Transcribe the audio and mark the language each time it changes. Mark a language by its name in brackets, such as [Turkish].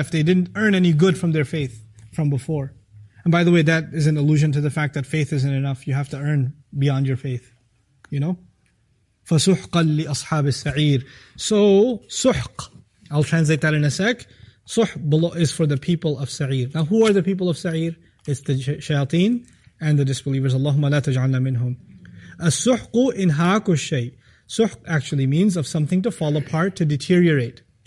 [English] If they didn't earn any good from their faith from before. And by the way, that is an allusion to the fact that faith isn't enough. You have to earn beyond your faith. You know? [Arabic] فَسُحْقًا لِأَصْحَابِ السَّعِيرِ. [English] So, سُحْق. I'll translate that in a sec. سُحْق is for the people of سَعِيرِ. Now, who are the people of سَعِيرِ? It's the shayateen and the disbelievers. [Arabic] اللَّهُمَّ لَا تَجْعَلْنَا مِنْهُمْ. السُحْقُ إِنْهَاكُ الشَّيْءِ. [English] Suhq actually means of something to fall apart, to deteriorate.